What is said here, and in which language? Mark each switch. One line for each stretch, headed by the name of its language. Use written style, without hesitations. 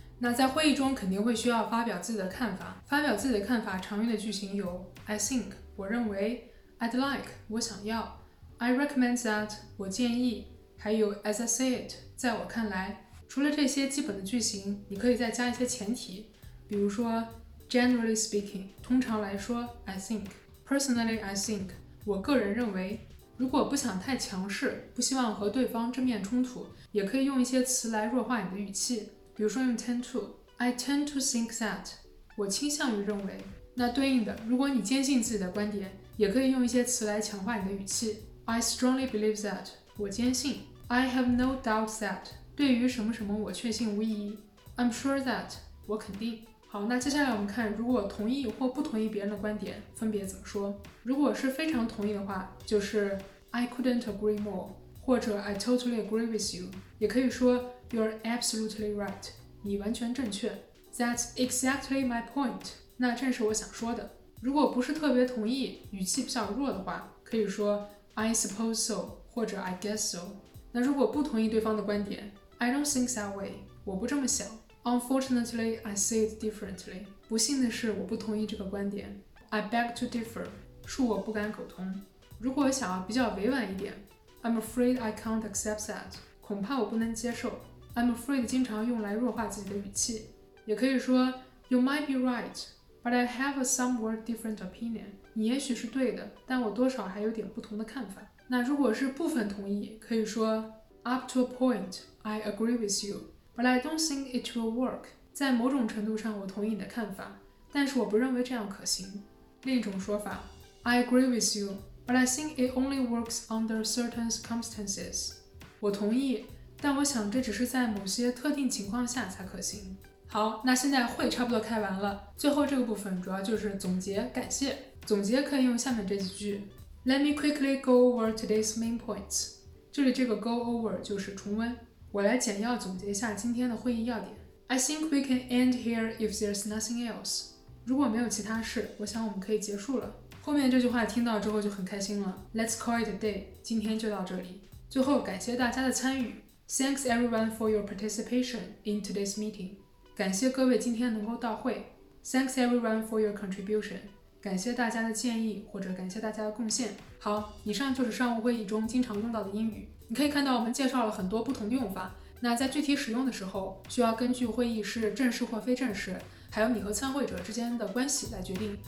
Chinese: 那在会议中肯定会需要发表自己的看法。发表自己的看法常用的句型有 I think， 我认为， I'd like， 我想要，
English: I recommend that，
Chinese: 我建议，还有
English: as I say it，
Chinese: 在我看来。除了这些基本的句型，你可以再加一些前提，比如说
English: generally speaking，
Chinese: 通常来说， I think，
English: personally I think，
Chinese: 我个人认为。如果不想太强势，不希望和对方正面冲突，也可以用一些词来弱化你的语气，比如说用 tend to，
English: I tend to think that，
Chinese: 我倾向于认为。那对应的，如果你坚信自己的观点，也可以用一些词来强化你的语气，
English: I strongly believe that，
Chinese: 我坚信，
English: I have no doubt that，
Chinese: 对于什么什么我确信无疑，
English: I'm sure that，
Chinese: 我肯定。好，那接下来我们看如果同意或不同意别人的观点分别怎么说。如果是非常同意的话，就是
English: I couldn't agree more， 或者 I totally agree with you， 也可以说You're absolutely right，
Chinese: 你完全正确。
English: That's exactly my point，
Chinese: 那正是我想说的。如果不是特别同意，语气比较弱的话，可以说
English: I suppose so，
Chinese: 或者
English: I guess so。
Chinese: 那如果不同意对方的观点，
English: I don't think that way，
Chinese: 我不这么想。
English: Unfortunately I see it differently，
Chinese: 不幸的是我不同意这个观点。
English: I beg to differ，
Chinese: 恕我不敢苟同。如果想要比较委婉一点，
English: I'm afraid I can't accept that，
Chinese: 恐怕我不能接受。 I'm afraid 经常用来弱化自己的语气，也可以说
English: You might be right but I have a somewhat different opinion，
Chinese: 你也许是对的，但我多少还有点不同的看法。
English: 那如果是部分同意，可以说 Up to a point I agree with you but I don't think it will work，
Chinese: 在某种程度上我同意你的看法，但是我不认为这样可行。
English: 另一种说法， I agree with you but I think it only works under certain circumstances，
Chinese: 我同意，但我想这只是在某些特定情况下才可行。好，那现在会差不多开完了，最后这个部分主要就是总结感谢。总结可以用下面这几句。
English: Let me quickly go over today's main points， 这里这个 go over
Chinese: 就是重温。我来简要总结一下今天的会议要点。
English: I think we can end here if there's nothing else，
Chinese: 如果没有其他事，我想我们可以结束了。后面这句话听到之后就很开心了。
English: Let's call it a day，
Chinese: 今天就到这里。最后感谢大家的参与，
English: Thanks everyone for your participation in today's meeting，
Chinese: 感谢各位今天能够到会。
English: Thanks everyone for your contribution，
Chinese: 感谢大家的建议或者感谢大家的贡献。好，以上就是商务会议中经常用到的英语。你可以看到我们介绍了很多不同的用法，那在具体使用的时候需要根据会议是正式或非正式，还有你和参会者之间的关系来决定。